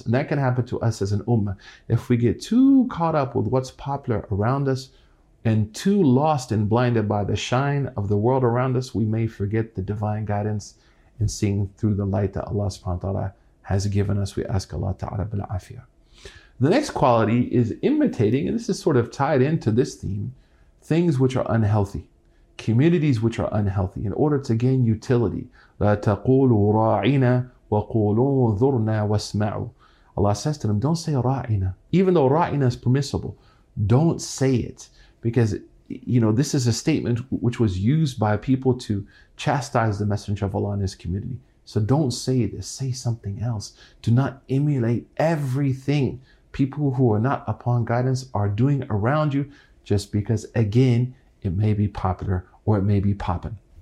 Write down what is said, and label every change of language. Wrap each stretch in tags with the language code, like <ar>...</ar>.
<en>And that can happen to us as an ummah. If we get too caught up with what's popular around us and too lost and blinded by the shine of the world around us, we may forget the divine guidance and seeing through the light that Allah subhanahu wa ta'ala has given us. We ask Allah ta'ala bil afiyah. The next quality is imitating, and this is sort of tied into this theme, things which are unhealthy, communities which are unhealthy, in order to gain utility.</en> <ar>لا تقولوا راعنا وقولوا انظرنا واسمعوا.</ar> <en>Allah says to them, don't say ra'ina. Even though ra'ina is permissible, don't say it. Because, you know, this is a statement which was used by people to chastise the Messenger of Allah and his community. So don't say this, say something else. Do not emulate everything people who are not upon guidance are doing around you, just because, again, it may be popular or it may be popping.</en>